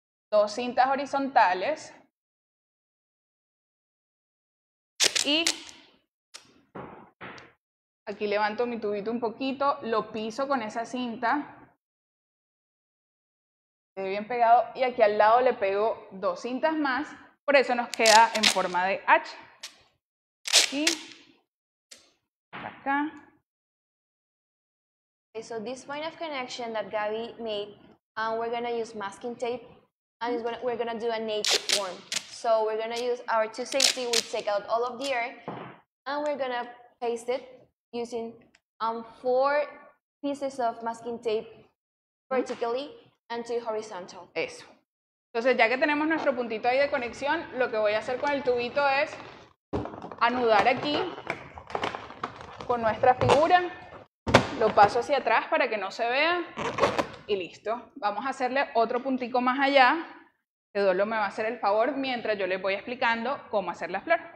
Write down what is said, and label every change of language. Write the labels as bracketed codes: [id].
[es] Dos cintas horizontales y aquí levanto mi tubito un poquito, lo piso con esa cinta, quede bien pegado, y aquí al lado le pego dos cintas más, por eso nos queda en forma de H. Aquí, acá, [en] Okay, so this point of connection that Gabby made, we're gonna use masking tape, and we're gonna do a native form. So we're gonna use our two safety. We take out all of the air, and we're gonna paste it using four pieces of masking tape vertically and two horizontal. [es] Eso. Entonces, ya que tenemos nuestro puntito ahí de conexión, lo que voy a hacer con el tubito es anudar aquí con nuestra figura. Lo paso hacia atrás para que no se vea y listo. Vamos a hacerle otro puntico más allá. Eduardo me va a hacer el favor mientras yo les voy explicando cómo hacer la flor.